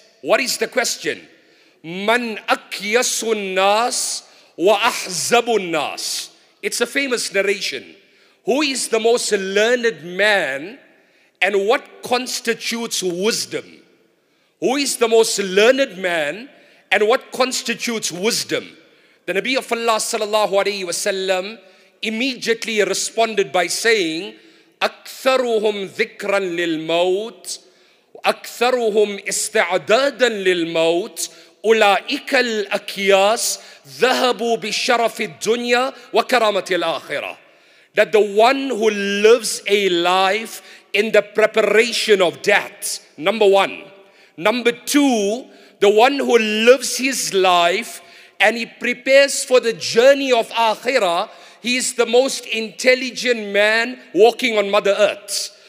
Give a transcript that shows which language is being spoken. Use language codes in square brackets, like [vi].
[en] What is the question? [ar] مَنْ أَكْيَسُ النَّاسِ وَأَحْزَبُ النَّاسِ. [en] It's a famous narration. Who is the most learned man and what constitutes wisdom? Who is the most learned man and what constitutes wisdom? The Nabi of Allah sallallahu alayhi wa sallam immediately responded by saying, [ar] أَكْثَرُهُمْ ذِكْرًا لِلْمَوْتِ وَأَكْثَرُهُمْ إِسْتَعْدَادًا لِلْمَوْتِ أُولَٰئِكَ الْأَكْيَاسِ ذَهَبُوا بِشَرَفِ الدُّنْيَا وَكَرَامَةِ الْآخِرَةِ. [en] That the one who lives a life in the preparation of death, number one. Number two, the one who lives his life and he prepares for the journey of Akhirah, he is the most intelligent man walking on Mother Earth.